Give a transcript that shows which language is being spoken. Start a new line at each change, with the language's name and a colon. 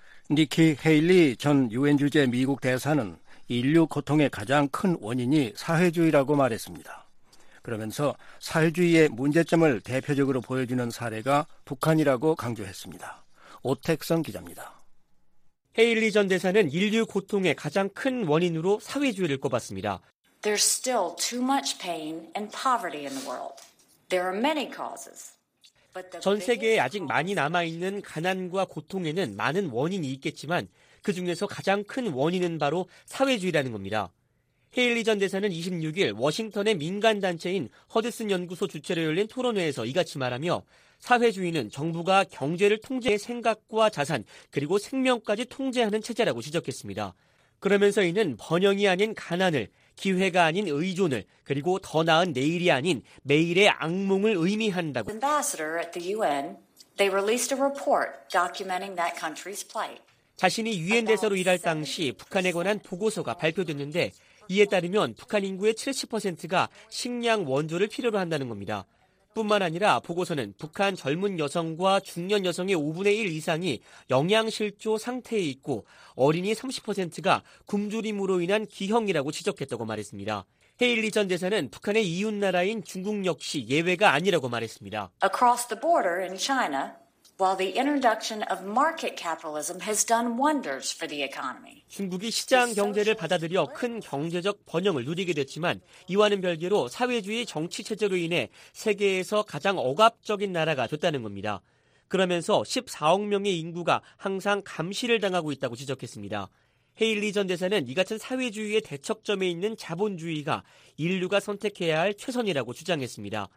Korean: 니키 헤일리 전 유엔 주재 미국 대사는 인류 고통의 가장 큰 원인이 사회주의라고 말했습니다. 그러면서 사회주의의 문제점을 대표적으로 보여주는 사례가 북한이라고 강조했습니다. 오택성 기자입니다. 헤일리 전 대사는 인류 고통의 가장 큰 원인으로 사회주의를 꼽았습니다.
English: There's still too much pain and poverty in the world. There are many causes.
Korean: 전 세계에 아직 많이 남아있는 가난과 고통에는 많은 원인이 있겠지만 그 중에서 가장 큰 원인은 바로 사회주의라는 겁니다. 헤일리 전 대사는 26일 워싱턴의 민간단체인 허드슨 연구소 주최로 열린 토론회에서 이같이 말하며 사회주의는 정부가 경제를 통제해 생각과 자산 그리고 생명까지 통제하는 체제라고 지적했습니다. 그러면서 이는 번영이 아닌 가난을, 기회가 아닌 의존을, 그리고 더 나은 내일이 아닌 매일의 악몽을 의미한다고.
English: Ambassador at the UN, they released a report documenting that country's plight.
Korean: 자신이 유엔 대사로 일할 당시 북한에 관한 보고서가 발표됐는데 이에 따르면 북한 인구의 70%가 식량 원조를 필요로 한다는 겁니다. 뿐만 아니라 보고서는 북한 젊은 여성과 중년 여성의 5분의 1 이상이 영양실조 상태에 있고 어린이 30%가 굶주림으로 인한 기형이라고 지적했다고 말했습니다. 헤일리 전 대사는 북한의 이웃나라인 중국 역시 예외가 아니라고 말했습니다.
English: Across the border in China, while the introduction of market capitalism has done wonders for the economy.
Korean: 중국이 시장 경제를 받아들여 큰 경제적 번영을 누리게 됐지만 이와는 별개로 사회주의 정치 체제로 인해 세계에서 가장 억압적인 나라가 됐다는 겁니다. 그러면서 14억 명의 인구가 항상 감시를 당하고 있다고 지적했습니다. 헤일리 전 대사는 이 같은 사회주의의 대척점에 있는 자본주의가 인류가 선택해야 할 최선이라고 주장했습니다.